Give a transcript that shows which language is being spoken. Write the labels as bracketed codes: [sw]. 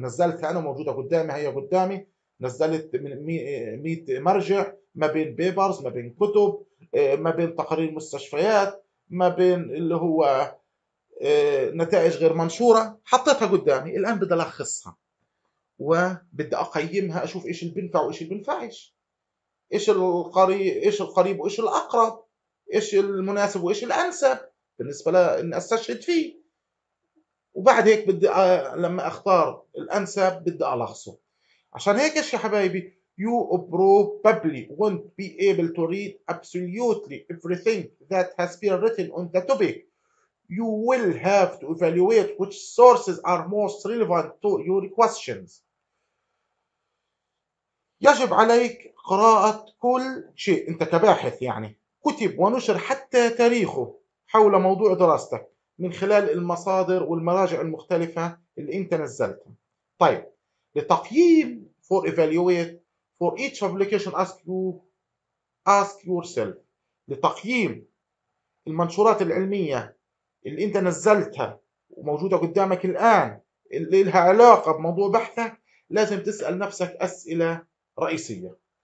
[ar] نزلتها انا موجوده قدامي، هي قدامي، نزلت من 100 مرجع ما بين بيبرز، ما بين كتب، ما بين تقارير مستشفيات، ما بين اللي هو نتائج غير منشوره، حطيتها قدامي، الان بدي الخصها وبدي اقيمها، اشوف ايش اللي بينفع وايش اللي بينفعش، ايش القريب وايش الاقرب، ايش المناسب وايش الانسب بالنسبه لاني استشهد فيه. وبعد هيك بدي لما اختار الانسب بدي الخصه. عشان هيك يا حبايبي، [en] you probably won't be able to read absolutely everything that has been written on the topic. You will have to evaluate which sources are most relevant to your questions. [ar] يجب عليك قراءة كل شيء أنت كباحث، يعني كتب ونشر حتى تاريخه حول موضوع دراستك من خلال المصادر والمراجع المختلفة اللي أنت نزلتها. طيب، لتقييم [en] for evaluate for each publication ask yourself، [ar] لتقييم المنشورات العلمية اللي انت نزلتها وموجودة قدامك الآن اللي لها علاقة بموضوع بحثك، لازم تسأل نفسك أسئلة رئيسية.